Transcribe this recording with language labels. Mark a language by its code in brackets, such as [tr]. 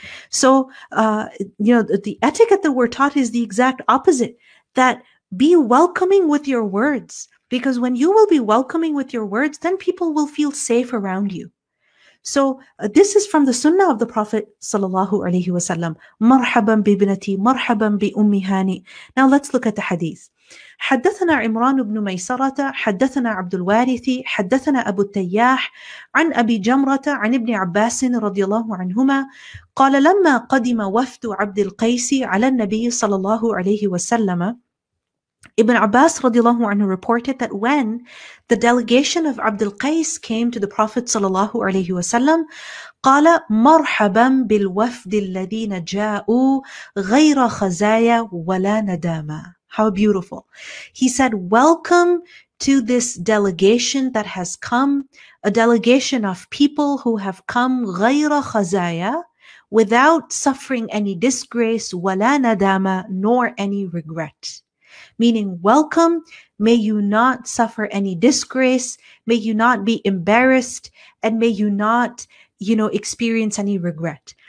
[en] So the etiquette that we're taught is the exact opposite, that be welcoming with your words. Because when you will be welcoming with your words, then people will feel safe around you. So this is from the sunnah of the Prophet sallallahu alayhi wa sallam. [ar] Marhaban bi binati, marhaban bi ummi hani. [en] Now let's look at the hadith. [ar] حدثنا عمران بن ميسرة حدثنا عبد الوارث حدثنا أبو التياح عن أبي جمرة عن ابن عباس رضي الله عنهما قال لما قدم وفد عبد القيس على النبي صلى الله عليه وسلم ابن عباس رضي الله عنه [en] reported that when the delegation of [ar] عبد القيس [en] came to the Prophet [ar] صلى الله عليه وسلم قال مرحبا بالوفد الذين جاءوا غير خزايا ولا ندامة. [en] How beautiful. He said, welcome to this delegation that has come, a delegation of people who have come [ar] غَيْرَ خَزَايَا [en] without suffering any disgrace, [ar] وَلَا نَدَامَ [en] nor any regret. Meaning, welcome, may you not suffer any disgrace, may you not be embarrassed, and may you not, you know, experience any regret.